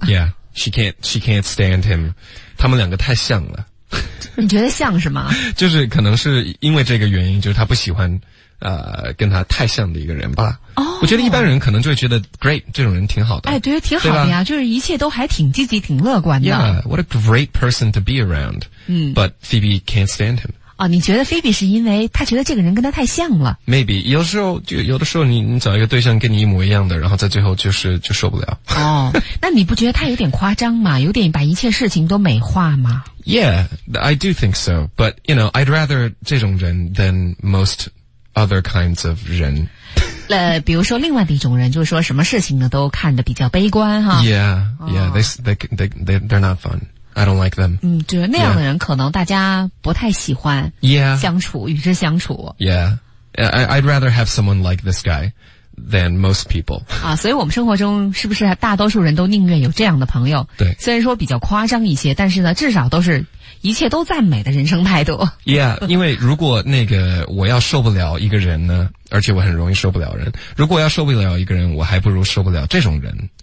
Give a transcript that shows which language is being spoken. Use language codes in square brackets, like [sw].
[en] yeahShe can't stand him. [zh] 他们两个太像了。你觉得像是吗？就是可能是因为这个原因，就是他不喜欢，跟他太像的一个人吧。哦、我觉得一般人可能就会觉得 great 这种人挺好的。哎，觉得挺好的呀，就是一切都还挺积极、挺乐观的。 [en] Yeah, what a great person to be around. 嗯，but Phoebe can't stand him. [zh] 哦，你觉得 Phoebe 是因为他觉得这个人跟他太像了？Maybe 有时候就有的时候你找一个对象跟你一模一样的，然后在最后就受不了。哦，那你不觉得他有点夸张吗？有点把一切事情都美化吗 [en] ？Yeah, I do think so. But you know, I'd rather [zh] 这种人 [en] than most other kinds of 人。 [zh] 比如说另外的一种人，就是说什么事情呢都看得比较悲观哈。 [en] Yeah, yeah,、哦、they're not fun. I don't like them. [zh] 嗯，就那样的人，可能大家不太喜欢。 [en] Yeah. [zh] 相处，与之相处。 [en] Yeah. I'd rather have someone like this guy than most people. [zh] 啊，所以我们生活中是不是大多数人都宁愿有这样的朋友？对。虽然说比较夸张一些，但是呢，至少都是一切都赞美的人生态度。 [en] Yeah. [zh] 因为如果那个我要受不了一个人呢，而且我很容易受不了人。如果要受不了一个人，我还不如受不了这种人。